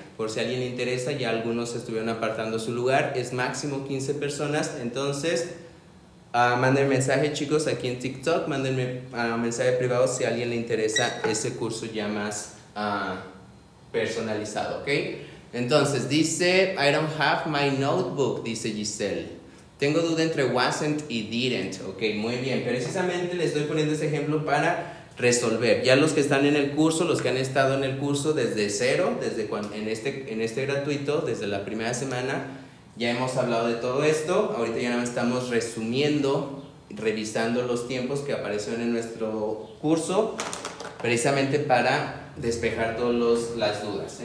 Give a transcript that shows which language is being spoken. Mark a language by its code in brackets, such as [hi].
[es] Por si a alguien le interesa, ya algunos estuvieron apartando su lugar, es máximo 15 personas, entonces... manden mensaje, chicos, aquí en TikTok, mándenme mensaje privado si a alguien le interesa ese curso ya más personalizado, ¿ok? [en] Entonces, dice, I don't have my notebook, dice Giselle. [es] Tengo duda entre wasn't y didn't, ¿ok? Muy bien, precisamente les estoy poniendo ese ejemplo para resolver. Ya los que están en el curso, los que han estado en el curso desde cero, desde cuando, en este gratuito, desde la primera semana, ya hemos hablado de todo esto, ahorita ya estamos resumiendo, revisando los tiempos que aparecieron en nuestro curso, precisamente para despejar todas las dudas.